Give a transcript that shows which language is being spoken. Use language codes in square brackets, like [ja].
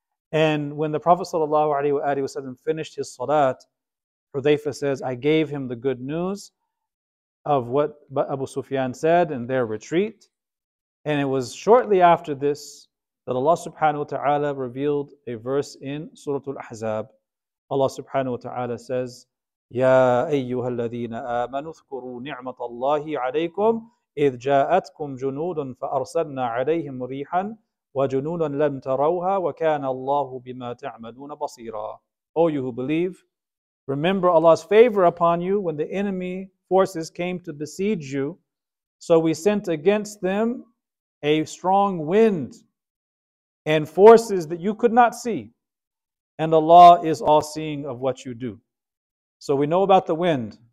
[en] And when the Prophet sallallahu alaihi wasallam finished his salat, Hudhayfa says, I gave him the good news of what Abu Sufyan said in their retreat. And it was shortly after this that Allah subhanahu wa ta'ala revealed a verse in Surah Al-Ahzab. [ar] Allah subhanahu wa ta'ala says, يَا أَيُّهَا الَّذِينَ آمَنُوا اذْكُرُوا نِعْمَةَ اللَّهِ عَلَيْكُمْ إِذْ جَاءَتْكُمْ جُنُودٌ فَأَرْسَلْنَا عَلَيْهِمْ رِيحًا وَجُنُودًا لَمْ تَرَوْهَا وَكَانَ اللَّهُ بِمَا تَعْمَلُونَ بَصِيرًا. [en] O you who believe, remember Allah's favor upon you when the enemy forces came to besiege you. So we sent against them a strong wind and forces that you could not see. And Allah is all-seeing of what you do. So we know about the wind.